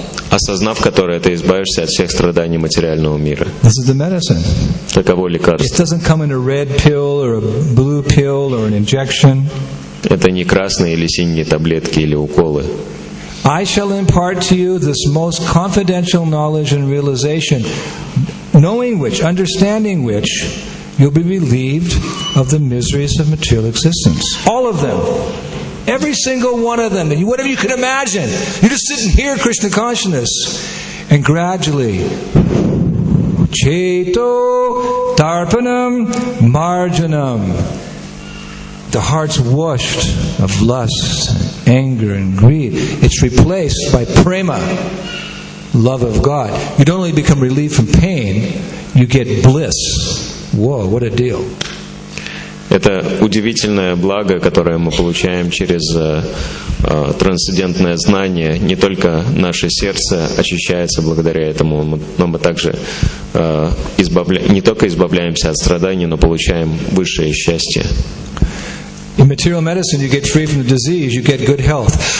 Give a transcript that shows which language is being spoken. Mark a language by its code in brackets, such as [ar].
[ru] Осознав которое, ты избавишься от всех страданий материального мира. [en] This is the medicine. [ru] Таково лекарство. [en] It doesn't come in a red pill or a blue pill or an injection. [ru] Это не красные или синие таблетки или уколы. [en] I shall impart to you this most confidential knowledge and realization, knowing which, understanding which, you'll be relieved of the miseries of material existence. All of them. Every single one of them, whatever you can imagine, you just sit and hear Krishna consciousness, and gradually, [sa] cheto tarpanam marjanam, [en] the heart's washed of lust, anger, and greed. It's replaced by prema, love of God. You don't only become relieved from pain, you get bliss. Whoa, what a deal! [ru] Это удивительное благо, которое мы получаем через трансцендентное знание. Не только наше сердце очищается благодаря этому, но мы также не только избавляемся от страданий, но получаем высшее счастье. [en] In material medicine, you get free from the disease, you get good health.